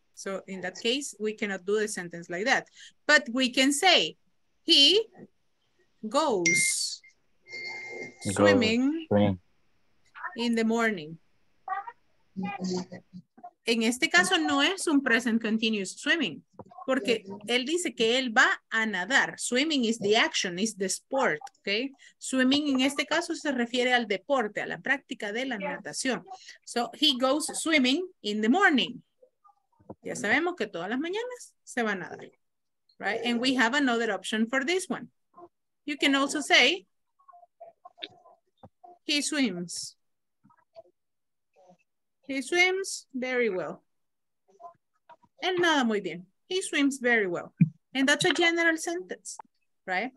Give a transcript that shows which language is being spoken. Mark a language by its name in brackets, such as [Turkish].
[English] So in that case, we cannot do the sentence like that. But we can say, he goes swimming in the morning. [Spanish] En este caso no es un present continuous swimming, porque él dice que él va a nadar. [English] Swimming is the action, is the sport, okay? [Spanish] Swimming en este caso se refiere al deporte, a la práctica de la natación. [English] So he goes swimming in the morning. [Spanish] Ya sabemos que todas las mañanas se va a nadar, [English] right? And we have another option for this one. You can also say, he swims. He swims very well. [Spanish] Él nada muy bien. [English] He swims very well. And that's a general sentence, right?